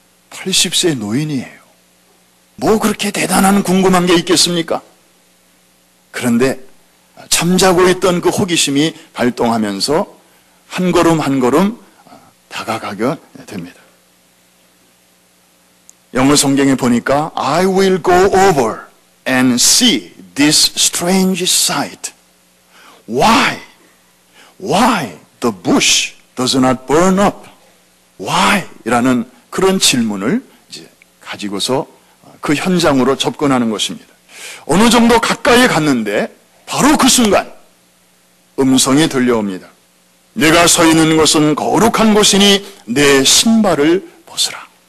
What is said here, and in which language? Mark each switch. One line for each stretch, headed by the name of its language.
Korean: 80세 노인이에요. 뭐 그렇게 대단한 궁금한 게 있겠습니까? 그런데 잠자고 있던 그 호기심이 발동하면서 한 걸음 한 걸음 다가가게 됩니다. 영어 성경에 보니까
English: I will go over and see this strange sight. Why the bush does not burn up? Why?
Korean: 이라는 그런 질문을 이제 가지고서 그 현장으로 접근하는 것입니다. 어느 정도 가까이 갔는데 바로 그 순간 음성이 들려옵니다. 내가 서 있는 것은 거룩한 곳이니 내 신발을 벗으라.